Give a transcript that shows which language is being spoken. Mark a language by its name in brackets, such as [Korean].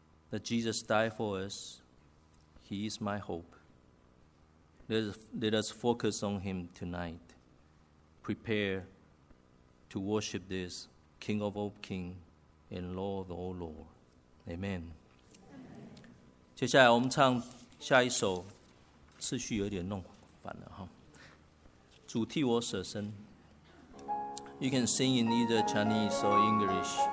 [English] That Jesus died for us, he is my hope. Let us focus on him tonight. Prepare to worship this King of all kings and Lord of all Lord. Amen. [Chinese] 接下来我们唱下一首，次序有点弄反了哈。主替我舍身。 [English] You can sing in either Chinese or English.